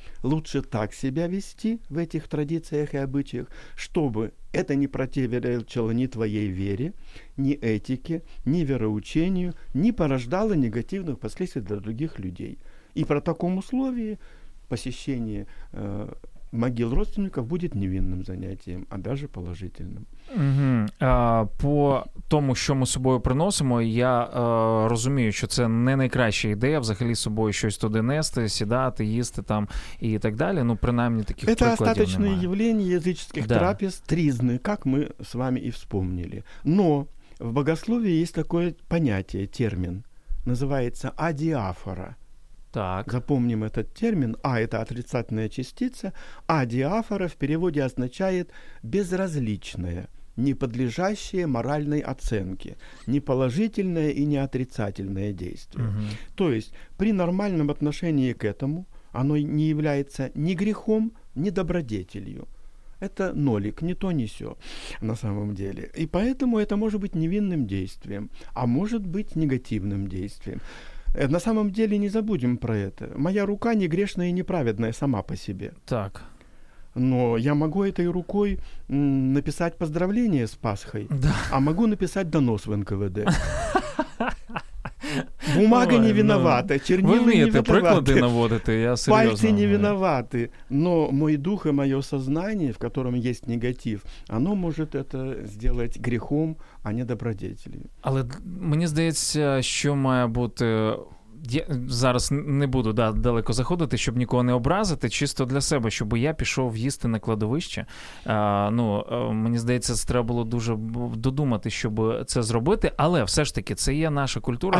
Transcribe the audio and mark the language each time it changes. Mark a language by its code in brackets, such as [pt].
[ru] Лучше так себя вести в этих традициях и обычаях, чтобы это не противоречило ни твоей вере, ни этике, ни вероучению, ни порождало негативных последствий для других людей. И при таком условии посещение могил родственников будет невинным занятием, а даже положительным. Угу. [uk] По тому, що ми собою приносимо, я розумію, що це не найкраща ідея взагалі з собою щось туди нести, сідати, їсти там і так далі. Ну, принаймні, таких прикладів немає. Це остаточне явлення язичних трапез, трізни, як ми з вами і вспомнили. [ru] Но в богословии [uk] є таке поняття, термін, називається адіафора. Так. [ru] Запомним этот термин. А – это отрицательная частица. А – диафора в переводе означает безразличное, не подлежащее моральной оценке, не положительное и не отрицательное действие. Угу. То есть при нормальном отношении к этому оно не является ни грехом, ни добродетелью. Это нолик, не то, не сё на самом деле. И поэтому это может быть невинным действием, а может быть негативным действием. На самом деле не забудем про это. Моя рука не грешная и неправедная сама по себе. Так. Но я могу этой рукой написать поздравление с Пасхой, да. А могу написать донос в НКВД. Бумага не виновата, чернила не виноваты. Вы мне приклады наводите, я серьезно. Пальцы не виноваты, но мой дух и мое сознание, в котором есть негатив, оно может это сделать грехом, а не добродетелью. [uk] Але мне здається, що має бути... Я зараз не буду далеко заходити, щоб нікого не образити, чисто для себе, щоб я пішов їсти на кладовище. Мені здається, це треба було дуже додумати, щоб це зробити, але все ж таки це є наша культура.